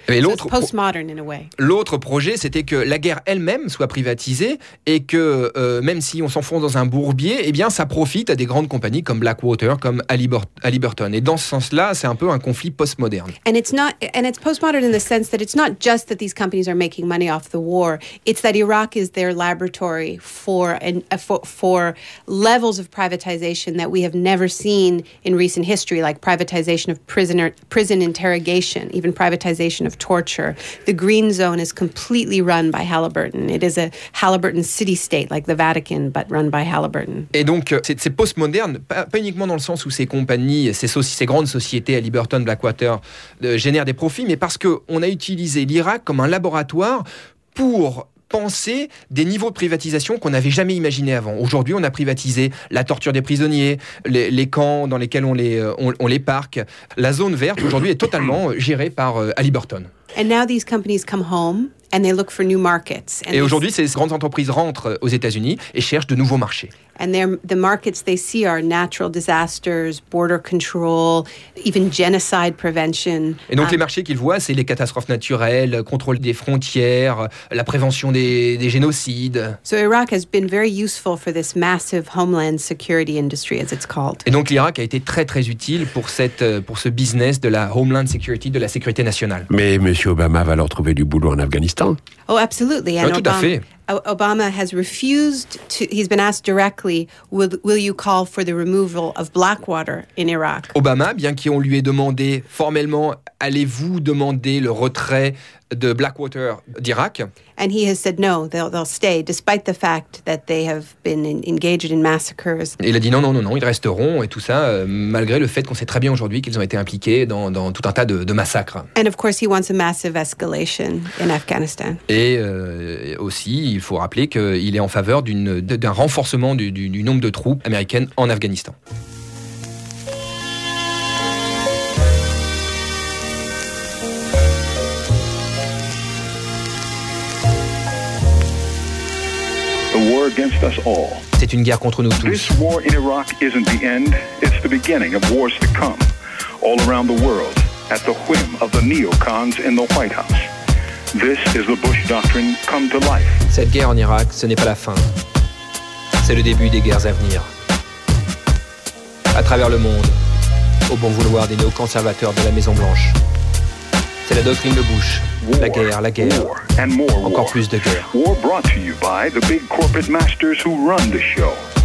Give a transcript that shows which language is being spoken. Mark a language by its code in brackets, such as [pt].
[fr] Mais [en] so it's postmodern in a way. [fr] L'autre projet, c'était que la guerre elle-même soit privatisée et que même si on s'enfonce dans un bourbier, eh bien, ça profite à des grandes compagnies comme Blackwater, comme Halliburton. Et dans ce sens-là, c'est un peu un conflit postmoderne. [en] And it's postmodern in the sense that it's not just that these companies are making money off the war. It's that Iraq is their laboratory for levels of privatization that we have never seen in recent history, like privatization of prison interrogation, even privatization of torture. The green zone is completely run by Halliburton. It is a Halliburton city-state, like the Vatican, but run by Halliburton. [fr] Et donc, c'est post-moderne, pas uniquement dans le sens où ces compagnies, ces grandes sociétés, Halliburton, Blackwater, génèrent des profits, mais parce qu'on a utilisé l'Irak comme un laboratoire pour penser des niveaux de privatisation qu'on n'avait jamais imaginé avant. Aujourd'hui, on a privatisé la torture des prisonniers, les camps dans lesquels on les parque. La zone verte aujourd'hui est totalement gérée par Halliburton. [en] And now these companies come home and they look for new markets. [fr] Et aujourd'hui, ces grandes entreprises rentrent aux États-Unis et cherchent de nouveaux marchés. [en] And the markets they see are natural disasters, border control, even genocide prevention. [fr] Et donc les marchés qu'ils voient, c'est les catastrophes naturelles, contrôle des frontières, la prévention des génocides. [en] So Iraq has been very useful for this massive homeland security industry, as it's called. [fr] Et donc l'Irak a été très très utile pour ce business de la homeland security, de la sécurité nationale. Mais Monsieur Obama va leur trouver du boulot en Afghanistan. [en] Oh, absolutely. [fr] Ah, tout à fait. [en] Obama has refused to. He's been asked directly, "Will you call for the removal of Blackwater in Iraq?" [fr] Obama, bien qu'on lui ait demandé formellement, allez-vous demander le retrait de Blackwater d'Irak? [en] And he has said no. They'll stay, despite the fact that they have been engaged in massacres. [fr] Et il a dit non, ils resteront et tout ça malgré le fait qu'on sait très bien aujourd'hui qu'ils ont été impliqués dans tout un tas de massacres. [en] And of course, he wants a massive escalation in Afghanistan. [fr] Et aussi, il faut rappeler qu'il est en faveur d'un renforcement du nombre de troupes américaines en Afghanistan. [en] A war against us all. [fr] C'est une guerre contre nous tous. [en] This war in Iraq isn't the end, it's the beginning of wars to come. All around the world, at the whim of the neocons in the White House. This is the Bush doctrine come to life. [fr] Cette guerre en Irak, ce n'est pas la fin. C'est le début des guerres à venir. À travers le monde, au bon vouloir des néoconservateurs de la Maison Blanche. C'est la doctrine de Bush. La guerre. [en] War and more [fr] encore [en] war. [fr] Plus de guerre. [en] War brought to you by the big corporate masters who run the show.